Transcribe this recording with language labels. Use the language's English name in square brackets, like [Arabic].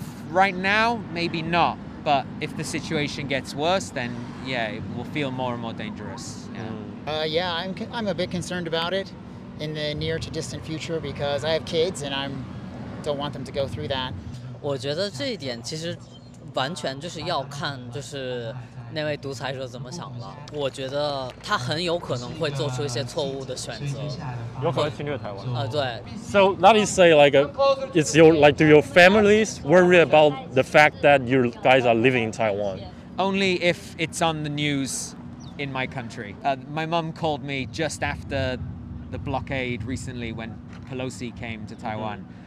[English] Right now, maybe not. But if the situation gets worse, then yeah, it will feel more and more dangerous. Yeah, I'm a bit concerned about it in the near to distant future because I have kids and I don't want them to go through that. [Chinese] 我觉得这一点其实完全就是要看就是那位独裁者怎么想了。我觉得他很有可能会做出一些错误的选择。有可能侵略台湾。对。 [English] So let me say like it's your like do your families worry about the fact that you guys are living in Taiwan? Only if it's on the news in my country. My mom called me just after the blockade recently when Pelosi came to Taiwan.